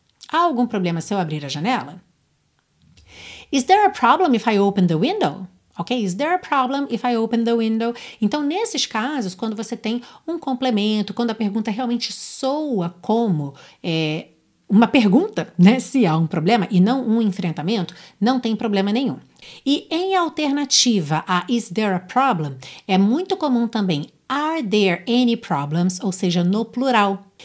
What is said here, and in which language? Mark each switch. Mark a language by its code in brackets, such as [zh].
[pt] Há algum problema se eu abrir a janela? [en] Is there a problem if I open the window? Ok? Is there a problem if I open the window? [pt] Então, nesses casos, quando você tem um complemento, quando a pergunta realmente soa como uma pergunta, né? Se há um problema e não um enfrentamento, não tem problema nenhum. E em alternativa a [en] is there a problem, [pt] é muito comum também [en] are there any problems, [pt] ou seja, no plural.